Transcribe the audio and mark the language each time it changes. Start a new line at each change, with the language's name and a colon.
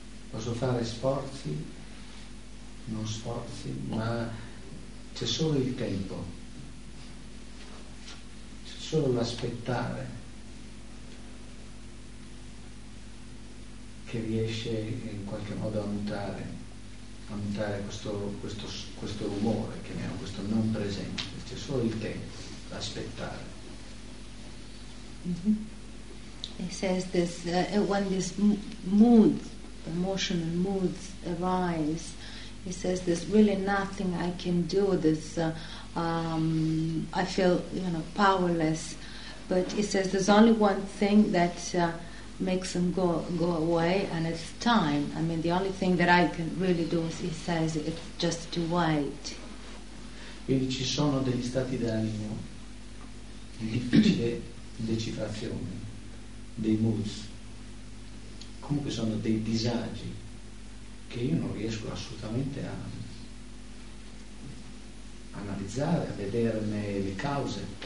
Italian: Posso fare sforzi, non sforzi, ma c'è solo il tempo, c'è solo l'aspettare che riesce in qualche modo a mutare questo rumore, chiamiamo questo non presente, c'è solo il tempo, l'aspettare. Mm-hmm.
English: He says this when these moods, emotional moods arise, he says there's really nothing I can do. This I feel you know powerless, but he says there's only one thing that makes them go away, and it's time. I mean, the only thing that I can really do, he says, is just to wait. Mm-hmm.
Italian: Quindi ci sono degli stati d'animo di difficile decifrazione, dei moods, comunque sono dei disagi che io non riesco assolutamente a analizzare, a vederne le cause.